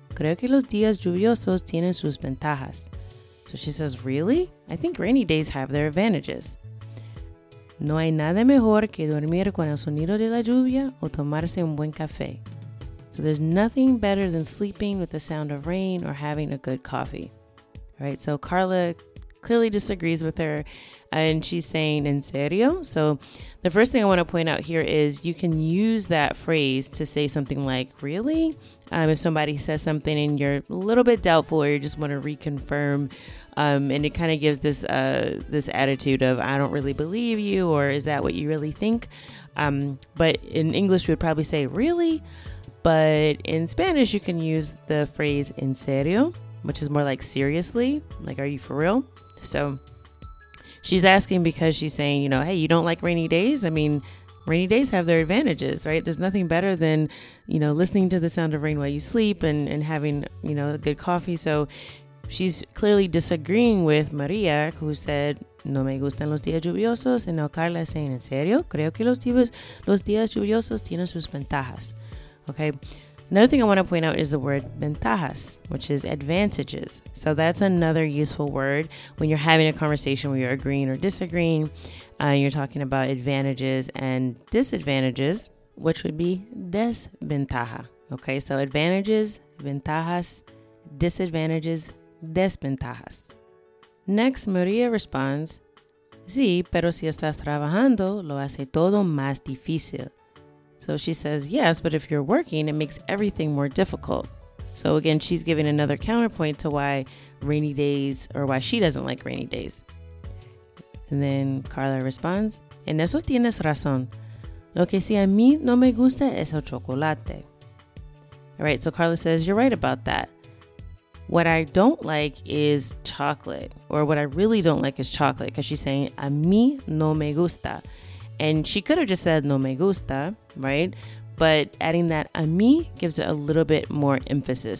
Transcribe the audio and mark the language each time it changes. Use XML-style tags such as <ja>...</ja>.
<es>Creo que los días lluviosos tienen sus ventajas.</es> <en>So she says, really? I think rainy days have their advantages.</en> <es>No hay nada mejor que dormir con el sonido de la lluvia o tomarse un buen café.</es> <en>So there's nothing better than sleeping with the sound of rain or having a good coffee. All right, so Carla clearly disagrees with her and she's saying,</en> <es>en serio?</es> <en>So the first thing I want to point out here is you can use that phrase to say something like, really? If somebody says something and you're a little bit doubtful or you just want to reconfirm, and it kind of gives this this attitude of, I don't really believe you, or is that what you really think? But in English, we would probably say, really? But in Spanish, you can use the phrase</en> <es>en serio,</es> <en>which is more like seriously, like are you for real? So she's asking because she's saying, you know, hey, you don't like rainy days? I mean, rainy days have their advantages, right? There's nothing better than, you know, listening to the sound of rain while you sleep and having, you know, a good coffee. So she's clearly disagreeing with María, who said,</en> <es>no me gustan los días lluviosos.</es> <en>And now Carla is saying,</en> <es>en serio?</es> <en>Creo que los días lluviosos tienen sus ventajas. Okay, another thing I want to point out is the word ventajas, which is advantages. So that's another useful word when you're having a conversation where you're agreeing or disagreeing. You're talking about advantages and disadvantages, which would be desventaja. Okay, so advantages, ventajas, disadvantages, desventajas. Next, María responds,</en> <es>sí, pero si estás trabajando, lo hace todo más difícil.</es> <en>So she says, yes, but if you're working, it makes everything more difficult. So again, she's giving another counterpoint to why rainy days, or why she doesn't like rainy days. And then Carla responds,</en> <es>en eso tienes razón. Lo que sí a mí no me gusta es el chocolate.</es> <en>All right, so Carla says, you're right about that. What I don't like is chocolate, or what I really don't like is chocolate, because she's saying,</en> <es>a mí no me gusta.</es> <en>And she could have just said, no me gusta, right? But adding that a mí gives it a little bit more emphasis.</en>